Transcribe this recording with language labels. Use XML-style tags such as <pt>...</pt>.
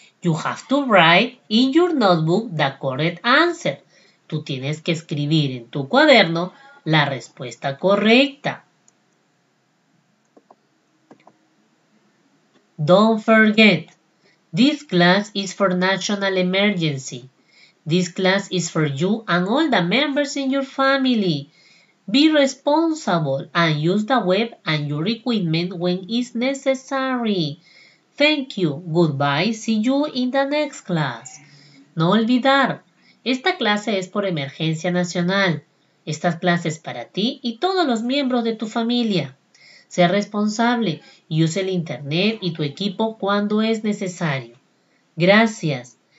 <en>You have to write in your notebook the correct answer.</en> <es>Tú tienes que escribir en tu cuaderno la respuesta correcta.</es> <en>Don't forget, this class is for national emergency. This class is for you and all the members in your family. Be responsible and use the web and your equipment when it's necessary. Thank you. Goodbye. See you in the next class.</en> <es>No olvidar, esta clase es por emergencia nacional. Esta clase es para ti y todos los miembros de tu familia. Sé responsable y use el internet y tu equipo cuando es necesario. Gracias.</es>